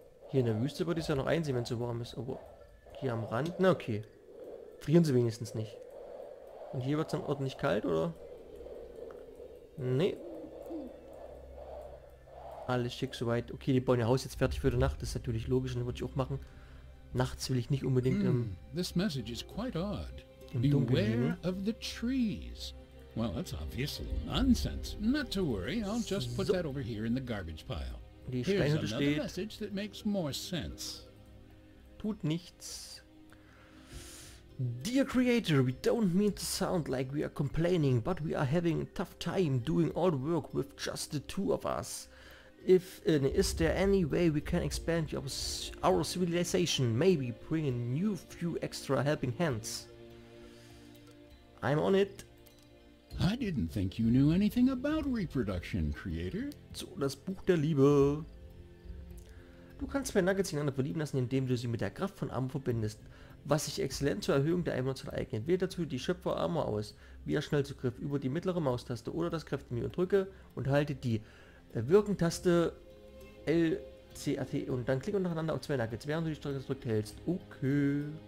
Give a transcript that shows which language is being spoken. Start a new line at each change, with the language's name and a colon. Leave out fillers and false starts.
German: Hier in der Wüste würde ich es ja noch einsehen, wenn es so warm ist. Aber hier am Rand, na okay. Frieren sie wenigstens nicht. Und hier wird es dann ordentlich kalt, oder? Nee. Alles schick soweit. Okay, die bauen ihr Haus jetzt fertig für die Nacht. Das ist natürlich logisch und das würde ich auch machen. Nachts will ich nicht unbedingt im
English: This message is quite odd. Beware of the trees. Well, that's obviously nonsense. Not to worry, I'll just put that over here in the garbage pile.
German: Die Steinhütte steht.
English: Here's a message that makes more sense.
German: Tut nichts.
English: Dear Creator, we don't mean to sound like we are complaining, but we are having a tough time doing all the work with just the two of us. If is there any way we can expand our civilization, maybe bring a new few extra helping hands. I'm on it. I didn't think you knew anything about reproduction, Creator.
German: So, das Buch der Liebe. Du kannst zwei Nuggets ineinander verlieben lassen, indem du sie mit der Kraft von Armor verbindest. Was sich exzellent zur Erhöhung der Einwohnerzahl eignet. Wähle dazu die Schöpferarmor aus. Wieder schnell zu Griff über die mittlere Maustaste oder das Kräftemenü drücke und halte die Wirkentaste LCAT und dann klicke nacheinander auf zwei Nuggets, während du die Steuerung gedrückt hältst. Okay.